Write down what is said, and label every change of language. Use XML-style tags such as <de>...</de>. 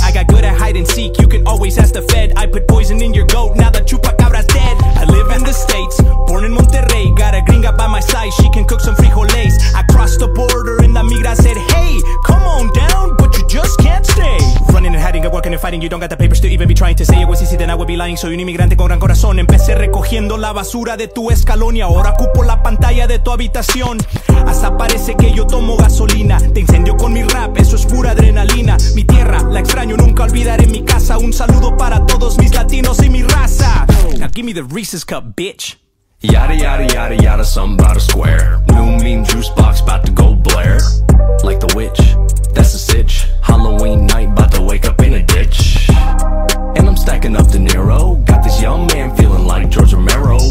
<en>I got good at hide and seek, you can always ask the fed. I put poison in your goat, now the chupacabra's dead. I live in the States, born in Monterrey. Got a gringa by my side, she can cook some frijoles. I crossed the border and la migra said, hey, come on down, but you just can't stay. Running and hiding and working and fighting, you don't got the papers to even be trying to say it was easy, then I would be lying.</en> <es>Soy un inmigrante con gran corazón. Empecé recogiendo la basura de tu escalón y ahora ocupo la pantalla de tu habitación. Hasta parece que yo tomo gasolina. Te incendio con mi rap, eso es pura adrenalina. Mi tierra, la extraño, nunca olvidaré mi casa. Un saludo para todos mis latinos y mi raza.</es> <en>Now give me the Reese's Cup, bitch. Yada, yada, yada, yada, something about a square. New meme juice box about to go blare. Like the witch, that's a sitch. Halloween night, about to wake up in a ditch. And I'm stacking up De Niro. Got this young man feeling like George Romero.</en>